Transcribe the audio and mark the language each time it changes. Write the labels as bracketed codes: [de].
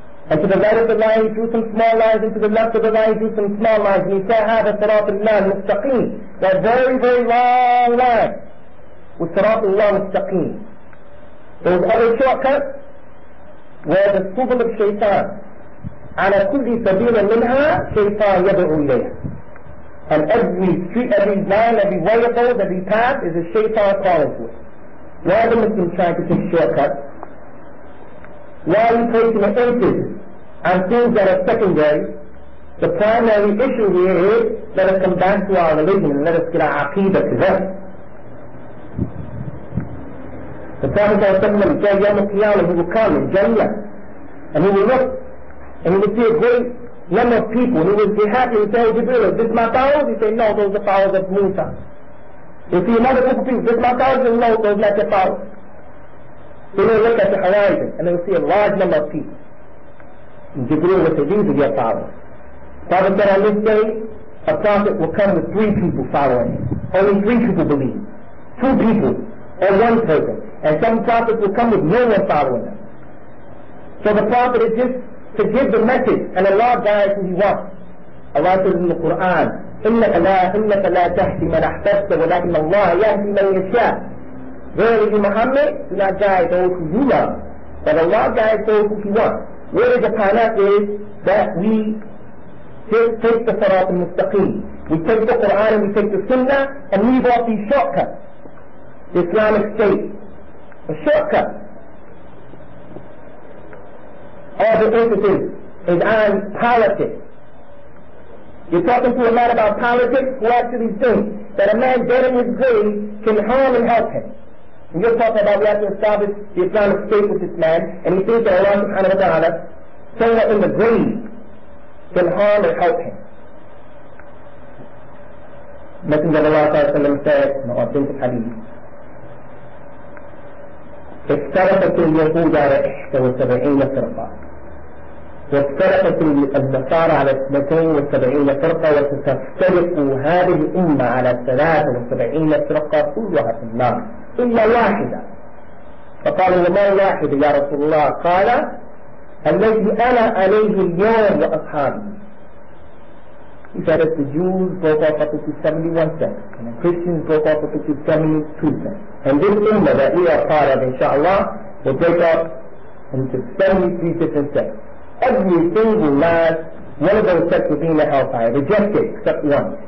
[en] And to the right of the line, he drew some small lines, and to the left of the line, he drew some small lines, and he said, [ar] Hada Siratullah Mustaqim. [en] That very, very long line was Siratullah Mustaqim. Those other shortcuts were the subul of shaitan. [ar] على كل سبيل منها شيطان يدعو إليها. [en] And every street, every line, every way of those, every path is a shaitan calling for it. Why are the Muslims trying to take shortcuts? Why are you placing an emphasis on things that are secondary? The primary issue here is, let us come back to our religion and let us get our aqidah to them. The Prophet ﷺ, Yawm al-Qiyamah, he will come in Jannah, and he will look, and he will see a great number of people, and he will be happy and say, Jibril, is this my powers? He say, no, those are the powers of Musa. You see another group of people, this is my powers? No, those are not your powers. They will look at the horizon, and they will see a large number of people. And Jibril will say, these are your powers. Prophet said, on this day, a prophet will come with three people following him. Only three people believe. Two people, or one person. And some prophets will come with millions following them. So the prophet is just to give the message and Allah guides who he wants. Allah says in the Quran, [ar] إِنَّكَ لَا تَحْتِ مَنْ أَحْتَفْتَ وَلَكِنَّ اللَّهَ يَحْتِ مَنْ يَشَاءُ. [en] Verily, you Muhammad, do not guide those who you love, but Allah guides those who he wants. Where the qanaat is that we take the Sirat al-Mustaqeem. We take the Quran and we take the Sunnah and leave off these shortcuts. The Islamic State. A shortcut. All the emphasis is on politics. You're talking to a man about politics who actually thinks that a man dead in his grave can harm and help him. And you're talking about we have to establish the Islamic State with this man, and he thinks that Allah subhanahu wa ta'ala, somewhere in the grave, can harm and help him. Messenger of Allah said in the authentic hadith, [ar] اختلفت اليهود على 71 فرقة واختلفت النصارى على 72 فرقة وستختلف هذه الأمة على 73 فرقة كلها في النار إلا واحدة. فقالوا وما الواحد يا رسول الله؟ قال الذي أنا عليه اليوم وأصحابي. [en] He said that the Jews broke off up to 71 cents, and the Christians broke off up to 72 cents. And this ummah that we are part of, inshallah, will break up into 73 different sects. Every single last one of those sects within the hellfire, rejected except one.